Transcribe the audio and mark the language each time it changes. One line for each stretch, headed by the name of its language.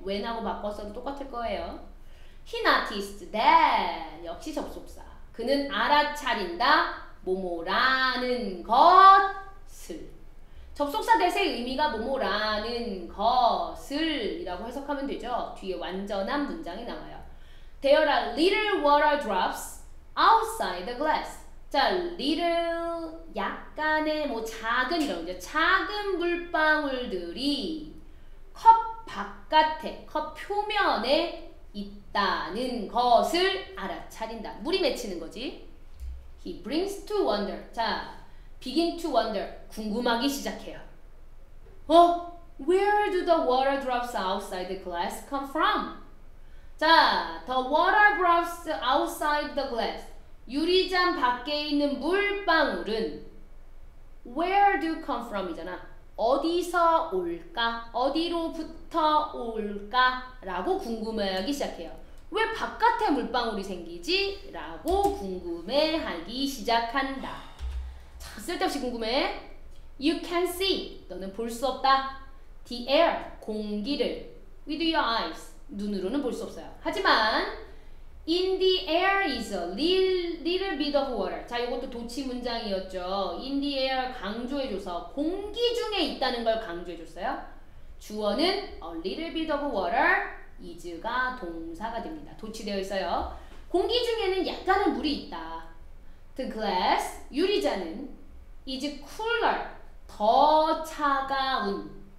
Korean: when하고 바꿨어도 똑같을 거예요.
English: He noticed that.
Korean: 역시 접속사. 그는 알아차린다. 뭐뭐라는 것을. 접속사 대세 의미가 뭐뭐라는 것을 이라고 해석하면 되죠. 뒤에 완전한 문장이 나와요.
English: There are little water drops outside the glass.
Korean: 자, little, 약간의 뭐 작은 이런 거죠. 작은 물방울들이 컵 바깥에, 컵 표면에 있다는 것을 알아차린다. 물이 맺히는 거지.
English: He brings to wonder.
Korean: 자,
English: begin to wonder.
Korean: 궁금하기 시작해요. 어?
English: Where do the water drops outside the glass come from? 자, the water drops outside the glass.
Korean: 유리잔 밖에 있는 물방울은
English: where do come from
Korean: 이잖아. 어디서 올까? 어디로부터 올까? 라고 궁금해하기 시작해요. 왜 바깥에 물방울이 생기지? 라고 궁금해하기 시작한다. 자, 쓸데없이 궁금해.
English: You can see.
Korean: 너는 볼 수 없다.
English: The air,
Korean: 공기를
English: With your eyes,
Korean: 눈으로는 볼 수 없어요. 하지만
English: In the air is a little bit of water.
Korean: 자, 이것도 도치 문장이었죠. In the air 강조해줘서 공기 중에 있다는 걸 강조해줬어요. 주어는
English: a little bit of water is
Korean: 가 동사가 됩니다. 도치되어 있어요. 공기 중에는 약간의 물이 있다.
English: The glass,
Korean: 유리잔은
English: is cooler,
Korean: 더 차가운.